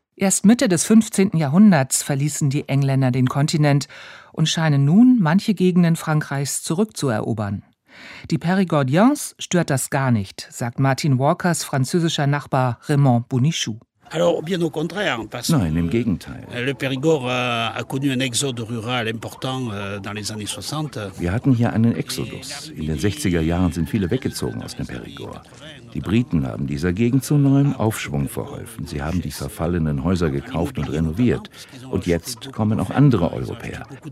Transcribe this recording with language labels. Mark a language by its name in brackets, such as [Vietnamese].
[German] Erst Mitte des 15. Jahrhunderts verließen die Engländer den Kontinent und scheinen nun manche Gegenden Frankreichs zurückzuerobern. Die Périgordiens stört das gar nicht, sagt Martin Walkers französischer Nachbar Raymond Bonichou. Nein, im Gegenteil. [French] Le Périgord a connu un exode rural important dans les années 60. [German] Wir hatten hier einen Exodus. In den 60er Jahren sind viele weggezogen aus dem Périgord. Die Briten haben dieser Gegend zu neuem Aufschwung verholfen. Sie haben die verfallenen Häuser gekauft und renoviert. Und jetzt kommen auch andere Europäer.